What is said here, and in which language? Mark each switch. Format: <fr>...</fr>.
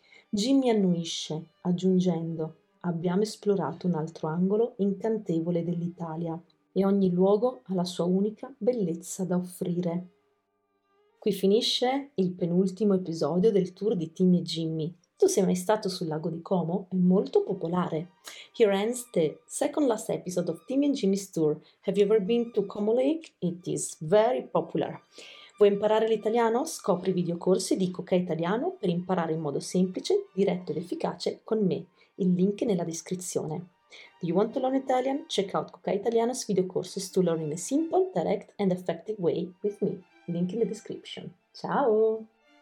<it>Jimmy annuisce, aggiungendo: «Abbiamo esplorato un altro angolo incantevole dell'Italia». E ogni luogo ha la sua unica bellezza da offrire. Qui finisce il penultimo episodio del tour di Timmy e Jimmy. Tu sei mai stato sul lago di Como? È molto popolare.</it> <en>Here ends the second last episode of Timmy and Jimmy's tour. Have you ever been to Como Lake? It is very popular.</en> <it>Vuoi imparare l'italiano? Scopri videocorsi di Cocai Italiano per imparare in modo semplice, diretto ed efficace con me. Il link è nella descrizione.</it> <en>Do you want to learn Italian? Check out Cocai Italiano's video courses to learn in a simple, direct and effective way with me. Link in the description. Ciao!</en>